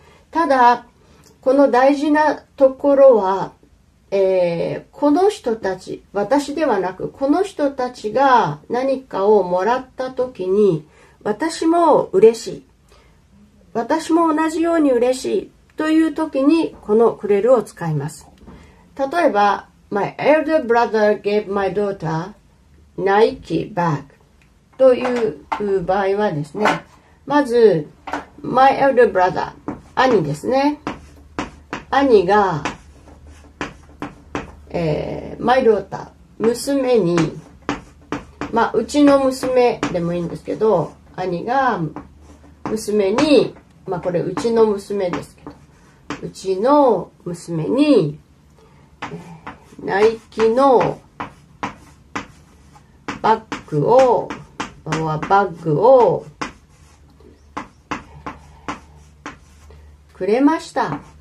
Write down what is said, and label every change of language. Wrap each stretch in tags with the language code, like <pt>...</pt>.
<ja>ただこの大事なところは、この人たち、私ではなく、この人たちが何かをもらったときに、私も嬉しい。私も同じように嬉しい。というときに、このくれるを使います。例えば、</ja> <en>My elder brother gave my daughter Nike bag.</en> <ja>という場合はですね、まず、</ja> <en>My elder brother、</en> <ja>兄ですね。兄が、マイドーター、娘に、まあ、うちの娘でもいいんですけど、兄が娘に、まあ、これうちの娘ですけど、うちの娘に、ナイキのバッグを、バッグを、くれました。</ja>